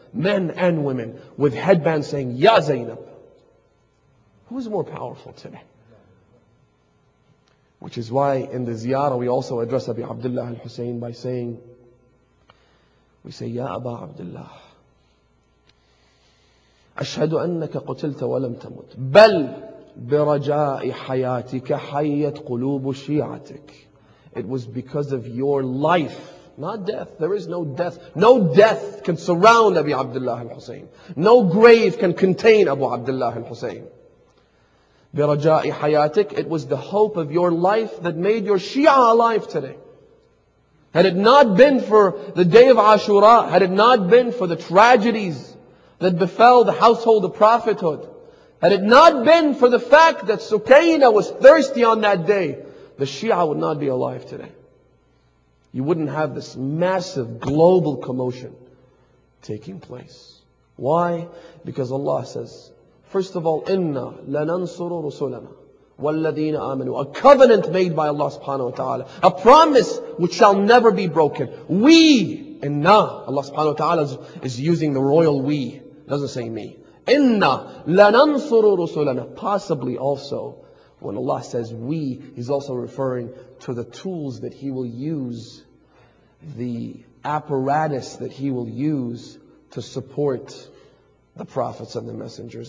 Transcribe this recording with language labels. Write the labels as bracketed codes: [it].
[en] Men and women with headbands saying, Ya Zainab. Who is more powerful today? Which is why in the ziyarah we also address Abi Abdullah al-Hussein by saying, we say, [ar] Ya Aba Abdullah, Ashhadu annaka qutilta wa lam tamut. Bal برجاء حياتك حيت قلوب شيعتك. [en] It was because of your life, not death. There is no death. No death can surround Abi Abdullah al-Hussein. No grave can contain Abu Abdullah al-Hussein. [ar] برجاء حياتك. [en] It was the hope of your life that made your Shia alive today. Had it not been for the day of Ashura, had it not been for the tragedies that befell the household of prophethood, had it not been for the fact that Sukayna was thirsty on that day, the Shia would not be alive today. You wouldn't have this massive global commotion taking place. Why? Because Allah says, First of all, [ar] إِنَّا لَنَنْصُرُ رُسُلَنَا وَالَّذِينَ آمَنُوا. [en] A covenant made by Allah subhanahu wa ta'ala. A promise which shall never be broken. We, إِنَّا. Allah subhanahu wa ta'ala is using the royal we. Doesn't say me. [ar] إِنَّا لَنَنْصُرُ رُسُلَنَا. [en] Possibly also, when Allah says we, He's also referring to the tools that He will use, the apparatus that He will use to support the prophets and the messengers.